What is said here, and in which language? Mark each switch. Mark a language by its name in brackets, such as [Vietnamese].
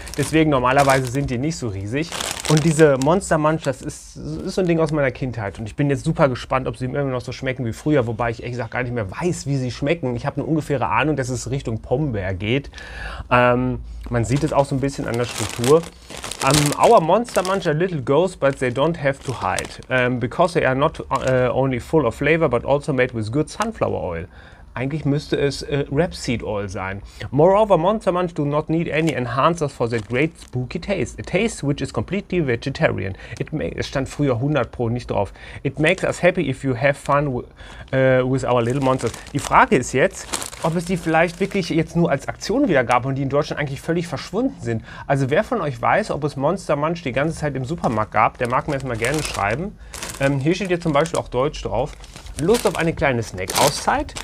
[German] Deswegen normalerweise sind die nicht so riesig. Und diese Monster Munch, das ist so ein Ding aus meiner Kindheit. Und ich bin jetzt super gespannt, ob sie immer noch so schmecken wie früher. Wobei ich ehrlich gesagt gar nicht mehr weiß, wie sie schmecken. Ich habe eine ungefähre Ahnung, dass es Richtung Pombeer geht. Man sieht es auch so ein bisschen an der Struktur. [English] Our Monster Munch are little ghosts, but they don't have to hide. Because they are not only full of flavor, but also made with good sunflower oil. [German] Eigentlich müsste es Rapeseed Oil sein. [English] Moreover, Monster Munch do not need any enhancers for that great spooky taste. A taste which is completely vegetarian. [German] Es stand früher 100 Pro nicht drauf. [English] It makes us happy if you have fun with our little monsters. [German] Die Frage ist jetzt, ob es die vielleicht wirklich jetzt nur als Aktion wieder gab und die in Deutschland eigentlich völlig verschwunden sind. Also wer von euch weiß, ob es Monster Munch die ganze Zeit im Supermarkt gab, der mag mir das mal gerne schreiben. Hier steht jetzt zum Beispiel auch Deutsch drauf. Lust auf eine kleine Snack-Auszeit?